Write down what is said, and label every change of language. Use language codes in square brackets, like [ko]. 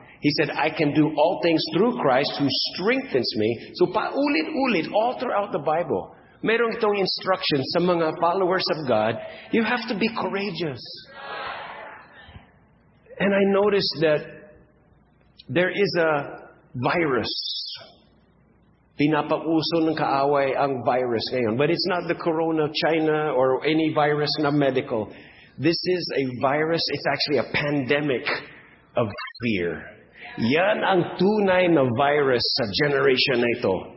[en] He said, I can do all things through Christ who strengthens me. So, [tl] paulit-ulit, [en] all throughout the Bible, [tl] merong itong [en] instruction [tl] sa mga [en] followers of God, you have to be courageous. And I noticed that there is a virus. [tl] Pinapauso ng kaaway ang virus ngayon. [en] But it's not the corona China or any virus na medical. This is a virus, it's actually a pandemic of fear. [tl] Yan ang tunay na virus sa generation na ito.